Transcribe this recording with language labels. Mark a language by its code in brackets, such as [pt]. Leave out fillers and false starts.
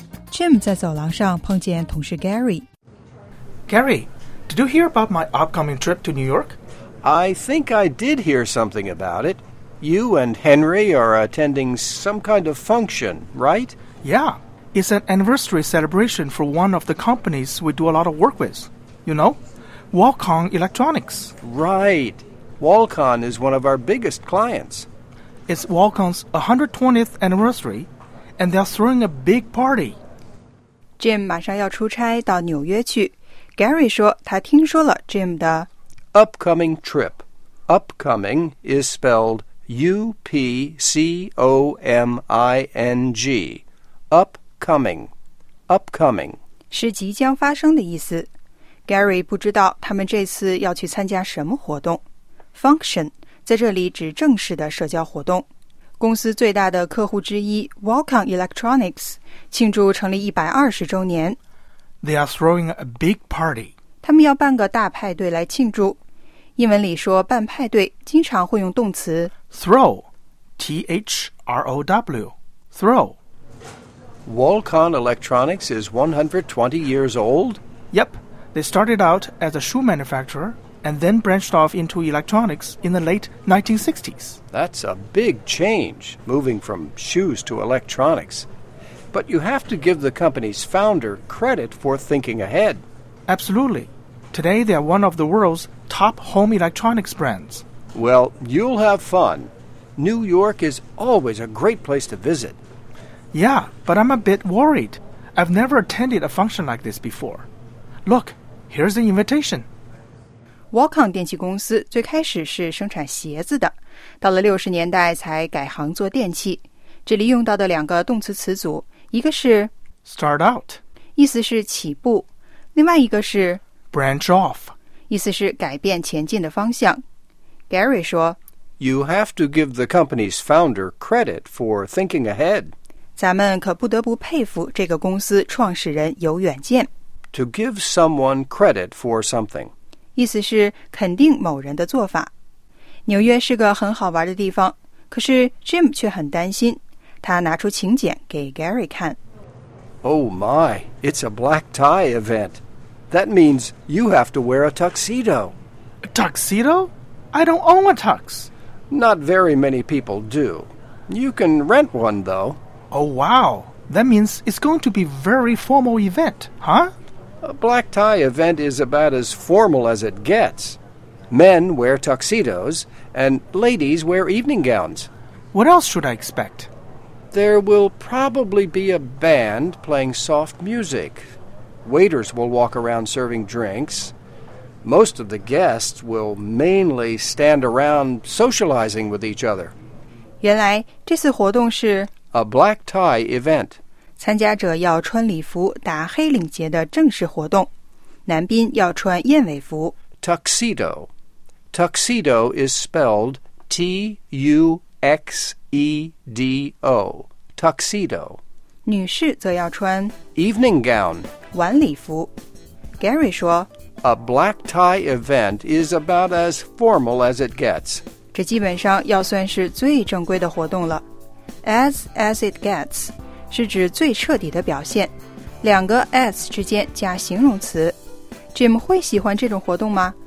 [zh] Jim 在走廊上碰见同事 Gary. [en] Gary, did you hear about my upcoming trip to New York? I think I did hear something about it. You and Henry are attending some kind of function, right? Yeah. It's an anniversary celebration for one of the companies we do a lot of work with. You know, Walcon Electronics. Right. Walcon is one of our biggest clients. It's Walcon's 120th anniversary, and they're throwing a big party. [zh] Jim 马上要出差到纽约去。Gary 说他听说了 Jim 的 [en] Upcoming trip. Upcoming is spelled U-P-C-O-M-I-N-G. Upcoming. Upcoming. [zh] 是即将发生的意思。 Gary 不知道他们这次要去参加什么活动。 Function 在这里指正式的社交活动。公司最大的客户之一 Walcon Electronics 庆祝成立120周年。 [en] They are throwing a big party. [zh] 他们要办个大派对来庆祝。英文里说办派对经常会用动词 [en] throw, T-H-R-O-W, throw. Walcon Electronics is 120 years old? Yep. They started out as a shoe manufacturer and then branched off into electronics in the late 1960s. That's a big change, moving from shoes to electronics. But you have to give the company's founder credit for thinking ahead. Absolutely. Today they are one of the world's top home electronics brands. Well, you'll have fun. New York is always a great place to visit. Yeah, but I'm a bit worried. I've never attended a function like this before. Look, here's the invitation. [zh] Walcon 电器公司最开始是生产鞋子的，到了六十年代才改行做电器。这里用到的两个动词词组，一个是 [en] start out， [zh] 意思是起步；另外一个是 [en] branch off， [zh] 意思是改变前进的方向。 Gary 说 [en] ，You have to give the company's founder credit for thinking ahead。 [zh] 咱们可不得不佩服这个公司创始人有远见。 [en] To give someone credit for something。 [zh] 意思是肯定某人的做法。纽约是个很好玩的地方，可是 Jim 却很担心。他拿出请柬给 Gary 看。 [en] Oh my, it's a black tie event. That means you have to wear a tuxedo. A tuxedo? I don't own a tux. Not very many people do. You can rent one, though. Oh wow, that means it's going to be a very formal event, huh? A black tie event is about as formal as it gets. Men wear tuxedos, and ladies wear evening gowns. What else should I expect? There will probably be a band playing soft music. Waiters will walk around serving drinks. Most of the guests will mainly stand around socializing with each other. [zh] 原来这次活动是 [en] A black tie event. [zh] 参加者要穿礼服打黑领结的正式活动，男宾要穿燕尾服。 [en] Tuxedo. Tuxedo is spelled T-U-X-E-D-O. Tuxedo. [zh] 女士则要穿 [en] Evening gown. [zh] 晚礼服。Gary 说 [en] A black tie event is about as formal as it gets. [zh] 这基本上要算是最正规的活动了。 [en] As it gets. [zh] 是指最彻底的表现，两个 s 之间加形容词。 Jim 会喜欢这种活动吗？